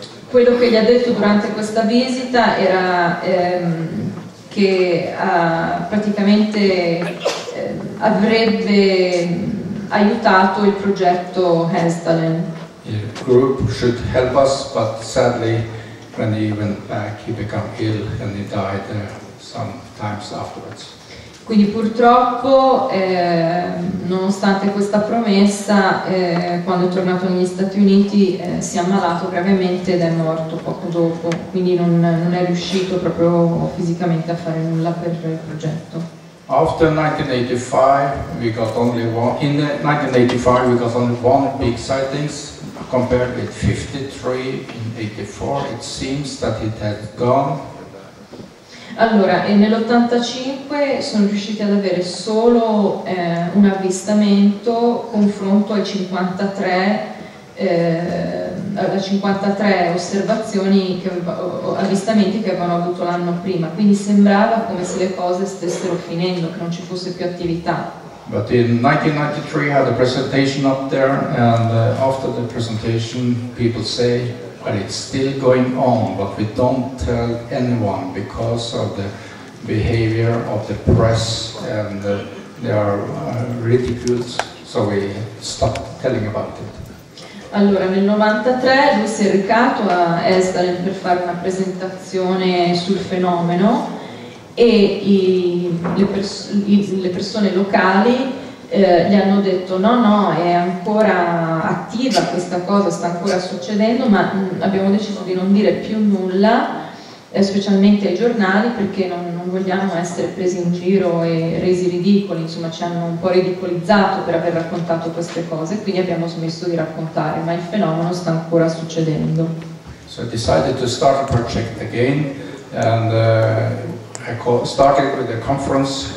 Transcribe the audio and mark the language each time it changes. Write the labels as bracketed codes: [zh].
[it] Quello che gli ha detto durante questa visita era che praticamente avrebbe aiutato il progetto Hestalen. [en] The group should help us, but sadly, when he went back, he became ill and he died some times afterwards. [it] Quindi purtroppo, nonostante questa promessa, quando è tornato negli Stati Uniti, si è ammalato gravemente ed è morto poco dopo. Quindi non è riuscito proprio fisicamente a fare nulla per il progetto. [en] After 1985, we got only one big sightings. Compared with 53 in 84, it seems that it had gone. [it] Allora, e nell'85 sono riusciti ad avere solo un avvistamento confronto ai 53 da 53 osservazioni che avvistamenti che avevano avuto l'anno prima. Quindi sembrava come se le cose stessero finendo, che non ci fosse più attività. [en] But in 1993 I had a presentation up there, and after the presentation people say, well, it's still going on, but we don't tell anyone because of the behavior of the press, and they are ridiculed, so we stopped telling about it. [it] Allora, nel 93 lui si è recato a Hestalen per fare una presentazione sul fenomeno, e le persone locali gli hanno detto no, è ancora attiva questa cosa, sta ancora succedendo, ma abbiamo deciso di non dire più nulla, specialmente ai giornali, perché non vogliamo essere presi in giro e resi ridicoli, insomma ci hanno un po' ridicolizzato per aver raccontato queste cose, quindi abbiamo smesso di raccontare, ma il fenomeno sta ancora succedendo. [en] So I decided to start a project again, and I started with a conference.